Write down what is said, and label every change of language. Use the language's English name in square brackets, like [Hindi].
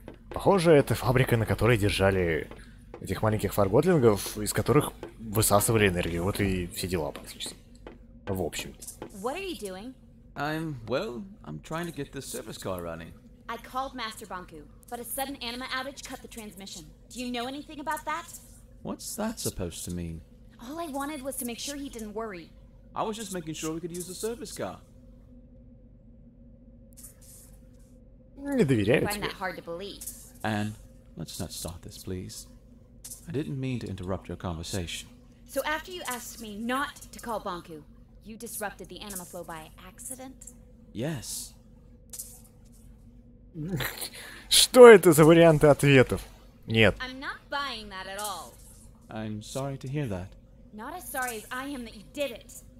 [Russian] Похоже, это фабрика, на которой держали этих маленьких фарготлингов, из которых высасывали энергию. Вот и все дела, практически. В общем. [English] What are you doing? I'm trying to get the service car running. I called Master Ponku, but a sudden anima outage cut the transmission. Do you know anything about that? What's that supposed to mean? All I wanted was to make sure he didn't worry. I was just making sure we could use the service car. [Russian] Не доверяю тебе. [English] Find that hard to believe. Anne, let's not start this, please. I didn't mean to interrupt your conversation. So after you asked me not to call Ponku, you disrupted the animal flow by accident? Yes. [Russian] Что это за варианты ответов? Нет. [English] I'm not buying that at all. I'm sorry to hear that. Not as sorry as I am that you did it.